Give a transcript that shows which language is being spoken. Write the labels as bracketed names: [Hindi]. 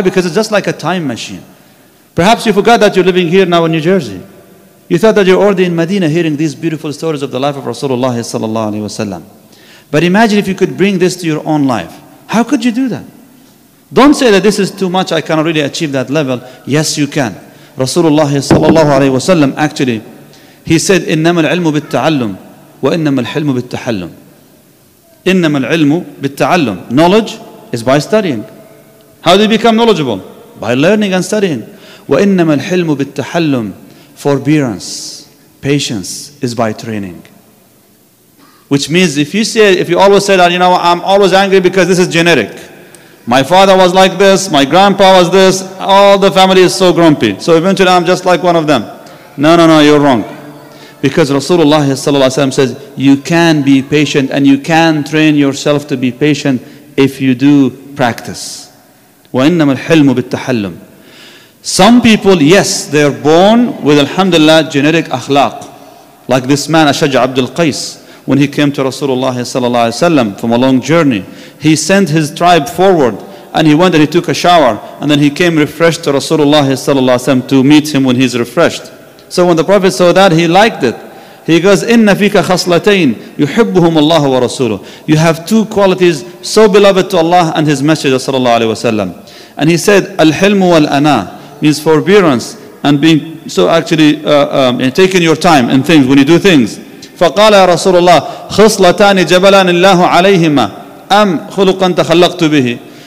[English] Because it's just like a time machine. Perhaps you forgot that you're living here now in New Jersey. You thought that you're already in Medina hearing these beautiful stories of the life of Rasulullah sallallahu alaihi wasallam. But imagine if you could bring this to your own life. How could you do that? Don't say that this is too much, I cannot really achieve that level. Yes, you can. Rasulullah sallallahu alaihi wasallam, actually, he said, [Arabic] إِنَّمَا الْعِلْمُ بِالتَّعَلُّمُ وَإِنَّمَا الْحِلْمُ بِالتَّحَلُّمُ إِنَّمَا الْعِلْمُ بِالتَّعَلُّمُ. [English] Knowledge is by studying. How do you become knowledgeable? By learning and studying. [Arabic] وَإِنَّمَا الْحِلْمُ بِالتَّحَلُّمُ. [English] Forbearance, patience, is by training. Which means if you always say that, you know, I'm always angry because this is generic. My father was like this, my grandpa was this, all the family is so grumpy. So eventually I'm just like one of them. No, you're wrong. Because Rasulullah sallallahu alaihi wasallam says, you can be patient and you can train yourself to be patient if you do practice. [Arabic] وَإِنَّمَا الْحِلْمُ بِالتَّحَلُّمُ. [English] Some people, yes, they are born with, alhamdulillah, generic akhlaq. Like this man, Ashaj Abdul Qais, when he came to Rasulullah sallallahu alayhi wa sallam from a long journey, he sent his tribe forward and he went and he took a shower and then he came refreshed to Rasulullah sallallahu alayhi wa sallam to meet him when he's refreshed. So when the Prophet saw that, he liked it. He goes, [Arabic] إِنَّ فِيكَ خَصْلَتَيْنِ يُحِبُّهُمُ اللَّهُ وَرَسُولُهُ. [English] You have two qualities so beloved to Allah and His Messenger sallallahu alayhi wa sallam. And he said, Al-Hilmu wal-Ana means forbearance and being so actually taking your time in things when you do things. [Arabic] فَقَالَ يَا رَسُولُ اللَّهِ خِصْلَتَانِ جَبَلَانِ اللَّهُ عَلَيْهِمَا أَمْ خُلُقًا تَخَلَّقْتُ بِهِ.